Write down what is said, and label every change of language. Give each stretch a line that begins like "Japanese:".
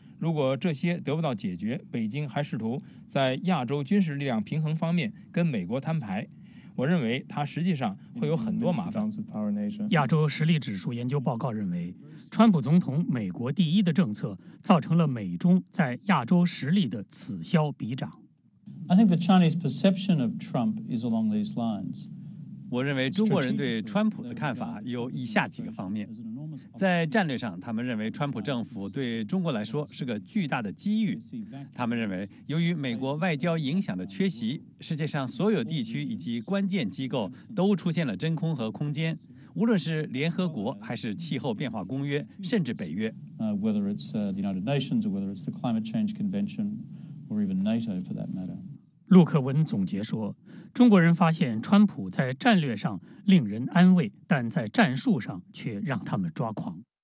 Chinese: 如果这些得不到解决，北京还试图在亚洲军事力量平衡方面跟美国摊牌，我认为它实际上会有很多麻烦。亚洲实力指数研究报告认为，川普总统美国第一的政策造成了美中在亚洲实力的此消彼长。
English: I think the Chinese perception of Trump is along these lines。
Chinese: 我认为中国人对川普的看法有以下几个方面。在战略上，他们认为川普政府对中国来说是个巨大的机遇。他们认为，由于美国外交影响的缺席，世界上所有地区以及关键机构都出现了真空和空间，无论是联合国还是气候变化公约，甚至北约。
English: Whether it's the United Nations or whether it's the Climate Change Convention or even NATO for that matter。
Chinese: 陆克文总结说，中国人发现川普在战略上令人安慰，但在战术上却让他们抓狂。